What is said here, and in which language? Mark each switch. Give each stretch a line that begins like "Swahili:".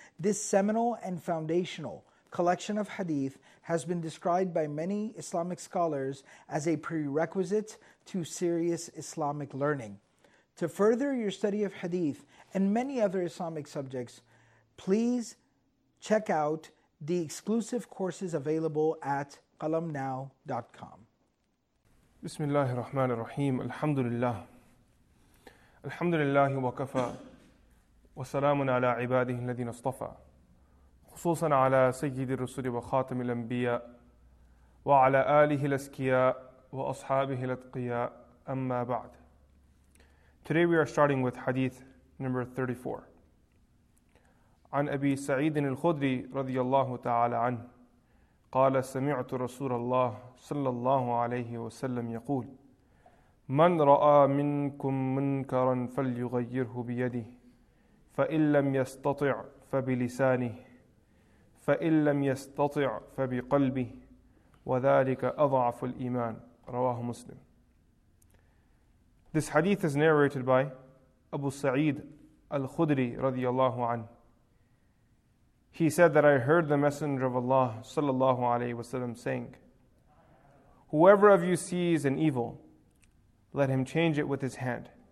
English: This seminal and foundational collection of hadith has been described by many Islamic scholars as a prerequisite to serious Islamic learning. To further your study of hadith and many other Islamic subjects, please check out the exclusive courses available at qalamnow.com.
Arabic: بسم الله الرحمن الرحيم الحمد لله الحمد لله وكفى وسلام على عباده الذين اصطفى خصوصا على سيد الرسل وخاتم الأنبياء وعلى آله الأسكياء وأصحابه الأتقياء أما بعد.
English: Today we are starting with hadith number 34.
Arabic: عن أبي سعيد الخدري رضي الله تعالى عنه قال سمعت رسول الله صلى الله عليه وسلم يقول من رأى منكم منكرا فليغيره بيده فإن لم يستطع فبلسانه فإن لم يستطع فبقلبه وذلك أضعف الإيمان رواه مسلم.
English: This hadith is narrated by Abu Sa'id al-Khudri رضي الله عنه. He said that I heard the Messenger of Allah sallallahu alaihi wasallam saying, whoever of you sees an evil, let him change it with his hand.